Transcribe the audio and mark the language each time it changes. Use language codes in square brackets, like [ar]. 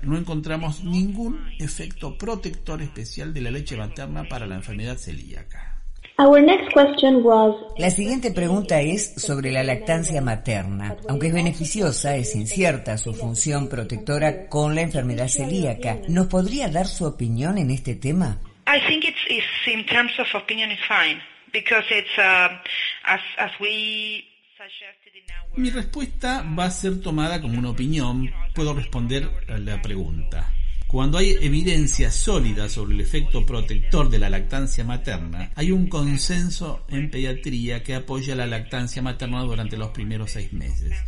[es] No encontramos ningún efecto protector especial de la leche materna para la enfermedad celíaca. [en] Our next question was, [es] la siguiente pregunta es sobre la lactancia materna. Aunque es beneficiosa, es incierta su función protectora con la enfermedad celíaca. ¿Nos podría dar su opinión en este tema? [en] I think it's in terms of opinion is fine because it's as we suggested in our. [es] Mi respuesta va a ser tomada como una opinión. Puedo responder a la pregunta. Cuando hay evidencia sólida sobre el efecto protector de la lactancia materna, hay un consenso en pediatría que apoya la lactancia materna durante los primeros 6 meses.